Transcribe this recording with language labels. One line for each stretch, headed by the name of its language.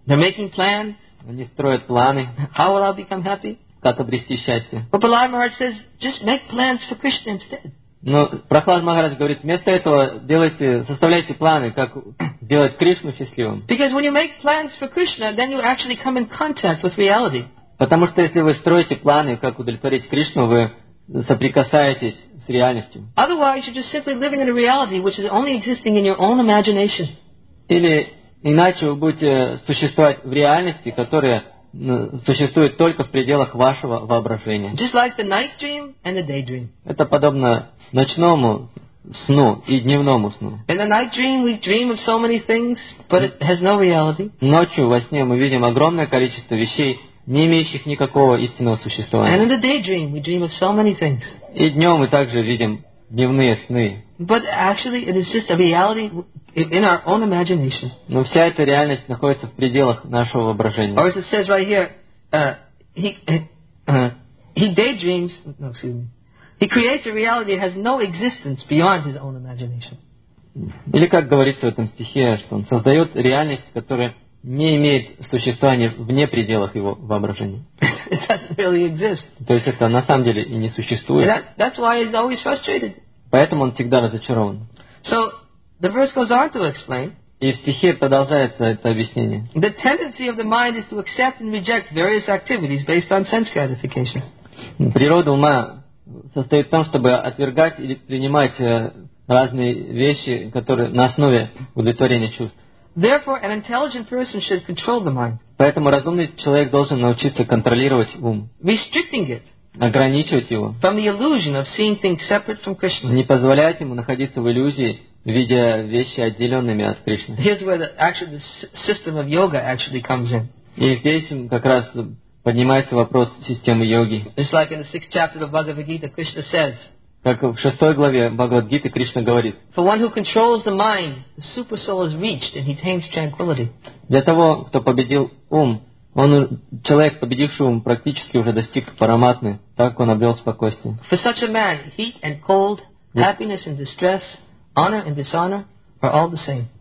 English: They're making plans.
Russian: Они строят планы.
English: How will I become happy?
Russian: Как обрести счастье?
English: But Prahlad Maharaj says, just make plans for Krishna instead.
Russian: Но Прохлад Махарадж говорит, вместо этого делайте, составляйте планы, как делать Кришну счастливым.
English: Because when you make plans for Krishna, then you actually come in contact with reality.
Russian: Потому что если вы строите планы, как удовлетворить Кришну, вы соприкасаетесь с реальностью.
English: Otherwise, you're just simply living in a reality which is only existing in your own imagination.
Russian: Или иначе вы будете существовать в реальности, которая существует только в пределах вашего воображения.
English: Just like the night dream and the day dream.
Russian: Это подобно ночному сну и дневному сну.
English: In the night dream we dream of so many things, but it has no reality.
Russian: Ночью во сне мы видим огромное количество вещей, не имеющих никакого истинного существования.
English: And in the day dream we dream of so many things.
Russian: И днем мы также видим дневные сны.
English: But actually it is just a reality in our own imagination.
Russian: Но вся эта реальность находится в пределах нашего воображения.
English: Or as it says right here, he daydreams. No, excuse me. He creates a reality that has no existence beyond his own imagination.
Russian: Или как говорится в этом стихе, что он создает реальность, которая не имеет существования вне пределах его воображения.
English: It doesn't really exist.
Russian: То есть это на самом деле и не существует.
English: And that's why he's always frustrated.
Russian: Поэтому он всегда разочарован.
English: So the verse goes on to explain.
Russian: И в стихе продолжается это объяснение.
English: The tendency of the mind is to accept and reject various activities based on sense gratification.
Russian: Природа ума состоит в том, чтобы отвергать или принимать разные вещи, которые на основе удовлетворения чувств.
English: Therefore, an intelligent person should control the mind.
Russian: Поэтому разумный человек должен научиться контролировать ум.
English: Restricting it.
Russian: Ограничивать его.
English: From the illusion of seeing things separate from Krishna.
Russian: Не позволять ему находиться в иллюзии, видя вещи отделенными от Кришны.
English: Here's where the system of yoga actually comes in.
Russian: И здесь как раз поднимается вопрос системы йоги.
English: It's like in the sixth chapter of Bhagavad Gita, Krishna says.
Russian: Как в шестой главе Бхагавад Гиты Кришна говорит.
English: For one who controls the mind, the super soul is reached and he attains tranquility.
Russian: Для того, кто победил ум, человек, победивший ум, практически уже достиг параматмы, так он обрел спокойствие.
English: For such a man, heat and cold, happiness and distress, honor and dishonor are all the same.